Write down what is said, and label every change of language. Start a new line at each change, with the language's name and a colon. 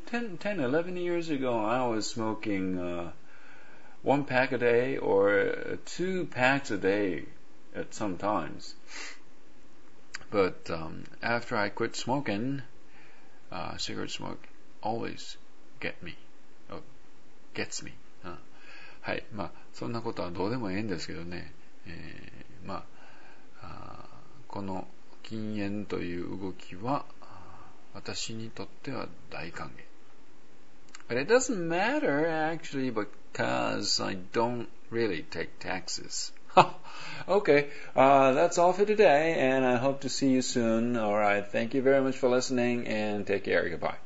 English: 10, 11 years ago, I was smoking one pack a day or two packs a day at some times. But after I quit smoking, cigarette smoke always gets me.
Japanese: はい、まあ、そんなことはどうでもいいんですけどね。まあ、この禁煙という動きは私にとっては大歓迎。
English: But it doesn't matter actually because I don't really take taxes. Okay, that's all for today and I hope to see you soon. Alright, thank you very much for listening and take care. Goodbye.